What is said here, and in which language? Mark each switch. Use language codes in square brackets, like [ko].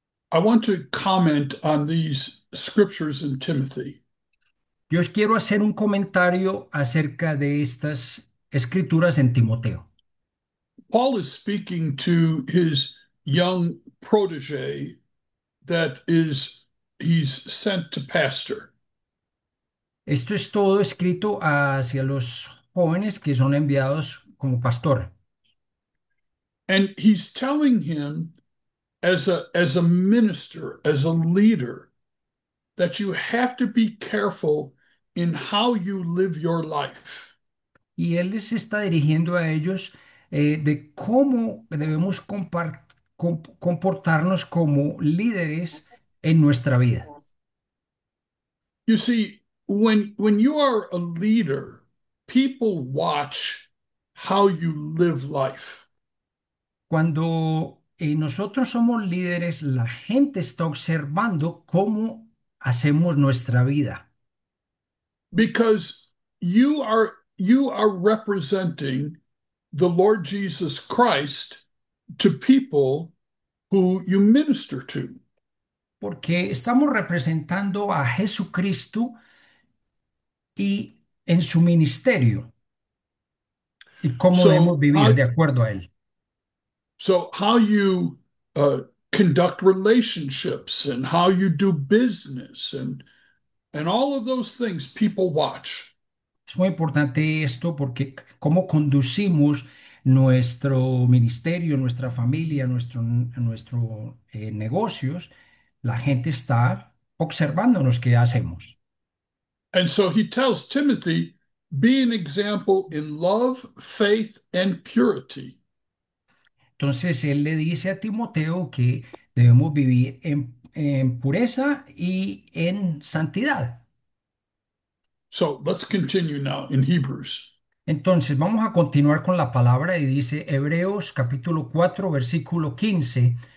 [en] I want to comment on these scriptures in Timothy. [es] Yo os quiero hacer un comentario acerca de estas escrituras en Timoteo. [en] Paul is speaking to his young protege that is he's sent to pastor. [es] Esto es todo escrito hacia los jóvenes que son enviados como pastor. [en] And he's telling him as a minister, as a leader, that you have to be careful in how you live your life. [es] Y él les está dirigiendo a ellos de cómo debemos comportarnos como líderes en nuestra vida. [en] You see, when you are a leader, people watch how you live life. [es] Cuando nosotros somos líderes, la gente está observando cómo hacemos nuestra vida. [en] Because you are representing the Lord Jesus Christ to people who you minister to. [es] Porque estamos representando a Jesucristo y en su ministerio y cómo debemos vivir de acuerdo a él. [en] how you conduct relationships and how you do business and all of those things people watch. [es] Es muy importante esto porque cómo conducimos nuestro ministerio, nuestra familia, nuestro negocios. La gente está observándonos qué hacemos. [en] And so he tells Timothy, be an example in love, faith, and purity. [es] Entonces él le dice a Timoteo que debemos vivir en pureza y en santidad. [en] So let's continue now in Hebrews. [es] Entonces vamos a continuar con la palabra y dice Hebreos capítulo 4, versículo 15.